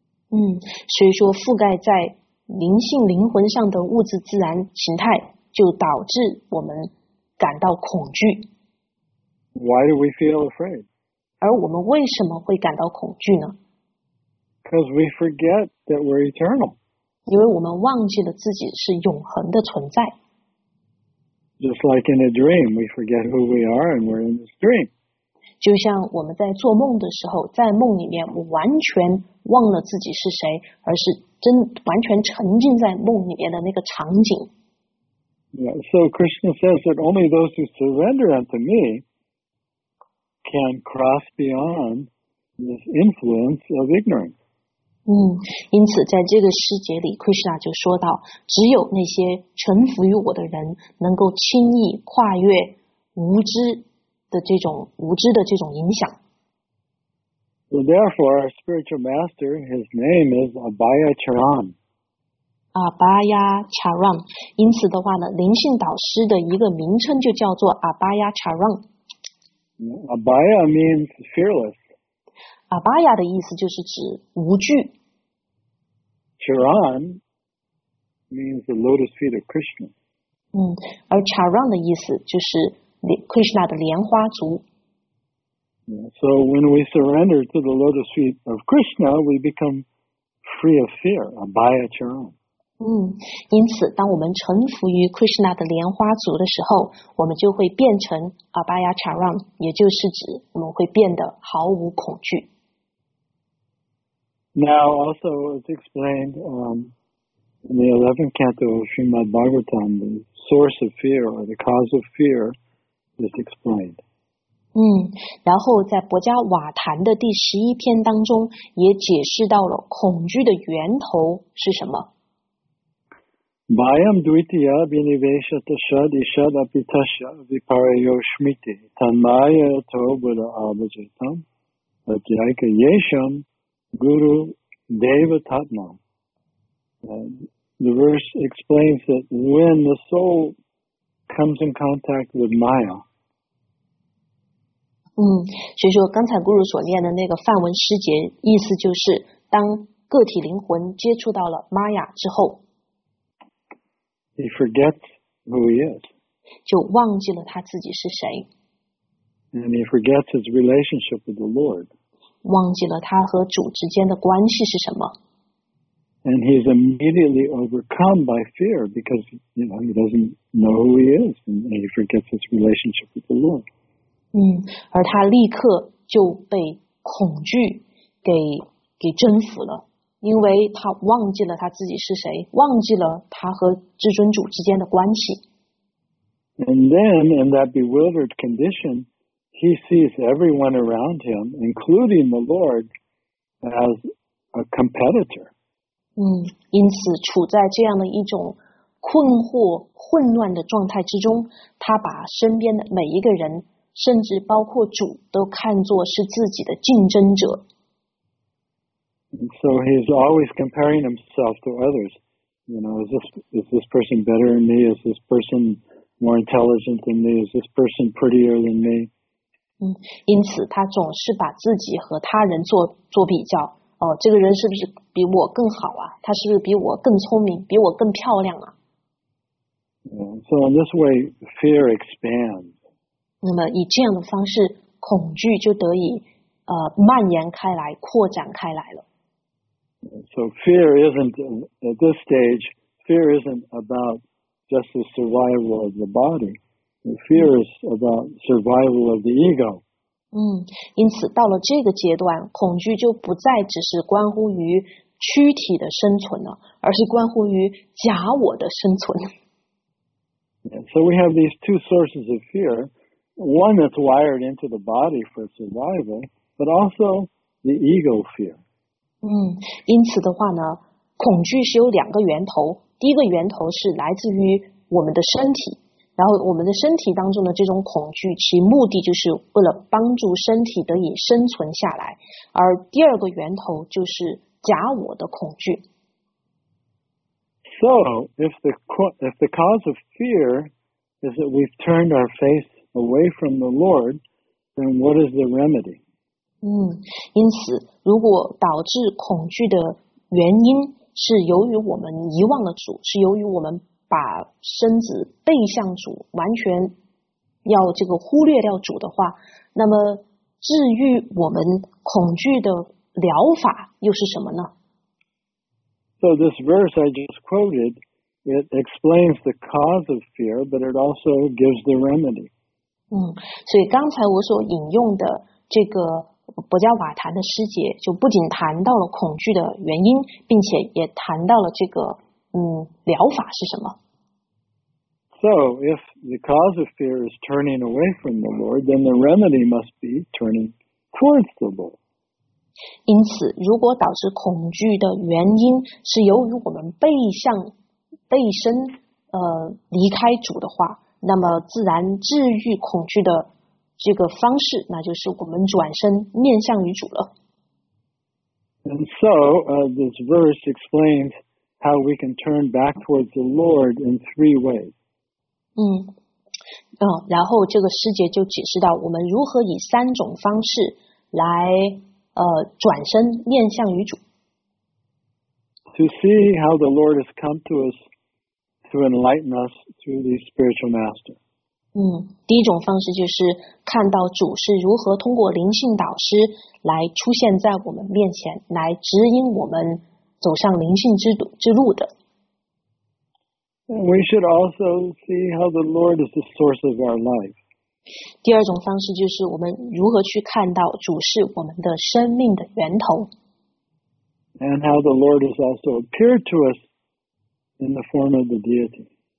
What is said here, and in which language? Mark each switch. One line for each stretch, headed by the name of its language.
Chinese: 所以说覆盖在灵性灵魂上的物质自然形态，就导致我们感到恐惧。
English: Why do we feel afraid?
Chinese: 而我们为什么会感到恐惧呢？
English: Because we forget that we're eternal.
Chinese: 因为我们忘记了自己是永恒的存在。
English: Just like in a dream, we forget who we are and we're in this dream.
Chinese: 就像我们在做梦的时候，在梦里面我完全忘了自己是谁，而是完全沉浸在梦里面的那个场景。
English: Yeah, so Krishna says that only those who surrender unto me,can cross beyond this influence of ignorance.
Chinese: 因此在这个世界里 Krishna 就说到，只有那些臣服于我的人能够轻易跨越无知的这种影响。
English: So therefore, our spiritual master, his name is Abhayacharan.
Chinese: Abhayacharan. 因此的话呢，灵性导师的一个名称就叫做 Abhayacharan。
English: Abaya means fearless.
Chinese: Abaya 的意思就是指无惧。
English: Charan means the lotus feet of Krishna.
Chinese: 嗯，而 Charan 的意思就是 Krishna 的莲花足。
English: So when we surrender to the lotus feet of Krishna, we become free of fear, Abaya Charan.
Chinese: 嗯，因此当我们臣服于 Krishna 的莲花足的时候，我们就会变成 Abaya Charan， 也就是指我们会变得毫无恐惧。
English: Now also as explained in the 11th canto of Srimad Bhagavatam, the source of fear or the cause of fear is explained.
Chinese: 嗯，然后在博迦瓦坛的第十一篇当中也解释到了恐惧的源头是什么。
Sanskrit: Bhayam dvitiya binivesha tashad ishad apitasya viparayo shmiti tanmaya to buddha abhajitam adhyayka yesham guru deva tatma.
English: The verse explains that when the soul comes in contact with maya,
Chinese: 嗯，所以说刚才Guru所念的那个梵文诗节，意思就是当个体灵魂接触到了玛雅之后
English: ，He forgets who he is，
Chinese: 就忘记了他自己是谁
English: ，And he forgets his relationship with the Lord，
Chinese: 忘记了他和主之间的关系是什么
English: ，And he is immediately overcome by fear because you know he doesn't know who he is and he forgets his relationship with the Lord。
Chinese: 嗯，而他立刻就被恐惧给征服了，因为他忘记了他自己是谁，忘记了他和至尊主之间的关系。
English: And then, in that bewildered condition, he sees everyone around him, including the Lord, as a competitor.
Chinese: 嗯，因此处在这样的一种困惑、混乱的状态之中，他把身边的每一个人甚至包括主都看作是自己的竞争者。
English: So he's always comparing himself to others. You know, is this person better than me? Is this person more intelligent than me? Is this person prettier than me?
Chinese: 嗯，因此他总是把自己和他人做比较。哦，这个人是不是比我更好啊？他是不是比我更聪明？比我更漂亮啊？
English: So in this way, fear expands.
Chinese: 那么以这样的方式，恐惧就得以蔓延开来，扩展开来了。
English: So fear isn't at this stage. Fear isn't about just the survival of the body. Fear is about survival of the ego.
Chinese: 嗯，因此到了这个阶段，恐惧就不再只是关乎于躯体的生存了，而是关乎于假我的生存。
English: So we have these two sources of fear. One that's wired into the body for survival, but also the ego fear.
Chinese: 嗯，因此的话呢，恐惧是有两个源头。第一个源头是来自于我们的身体，然后我们的身体当中的这种恐惧，其目的就是为了帮助身体得以生存下来。而第二个源头就是假我的恐惧。
English: So if the cause of fear is that we've turned our face. Away from the Lord, then what is the remedy?
Chinese: 因此，如果导致恐惧的原因是由于我们遗忘了主，是由于我们把身子背向主，完全要这个忽略掉主的话，那么治愈我们恐惧的疗法又是什么呢？
English: So this verse I just quoted, it explains the cause of fear, but it also gives the remedy.
Chinese: 所以刚才我所引用的这个博迦瓦坛的诗节就不仅谈到了恐惧的原因，并且也谈到了这个疗法是什么。
English: So, if the cause of fear is turning away from the Lord, then the remedy must be turning towards the Lord.
Chinese: 因此，如果导致恐惧的原因是由于我们背身离开主的话，那么自然治愈恐惧的这个方式，那就是我们转身面向于主了。
English: And so, this verse explains how we can turn back towards the Lord in three ways.
Chinese: 然后这个师姐就解释到，我们如何以三种方式来转身面向于主。
English: To see how the Lord has come to us to enlighten us through the spiritual master.
Chinese: 第一种方式就是看到主是如何通过灵性导师来出现在我们面前，来指引我们走上灵性之路的。
English: We should also see how the Lord is the source of our life.
Chinese: 第二种方式就是我们如何去看到主是我们的生命的源头。
English: And how the Lord has also appeared to us in the form of the deity.